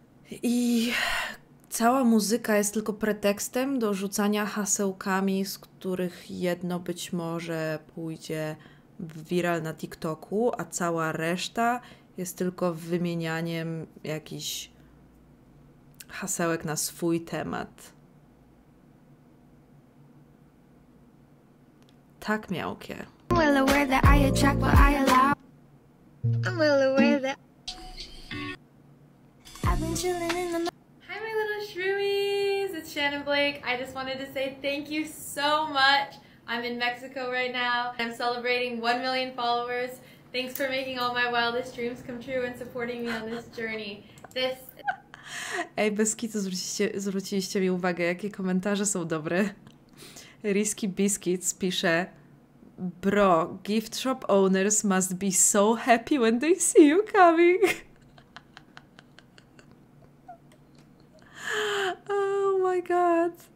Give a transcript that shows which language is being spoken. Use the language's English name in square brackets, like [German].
[Polish] I cała muzyka jest tylko pretekstem do rzucania hasełkami, z których jedno być może pójdzie w viral na TikToku, a cała reszta jest tylko wymienianiem jakichś hasełek na swój temat. Tak miałkie. [English] I'm well aware that I attract what I allow. I'm well aware that I've been chilling in the. Hi, my little shroomies! It's Shannon Blake. I just wanted to say thank you so much. I'm in Mexico right now. I'm celebrating 1 million followers. Thanks for making all my wildest dreams come true and supporting me on this journey. This. [Polish] Ej, bez kitu, zwróciliście mi uwagę, jakie komentarze są dobre. [English] Risky Biscuits pisze: bro, gift shop owners must be so happy when they see you coming. Oh my god.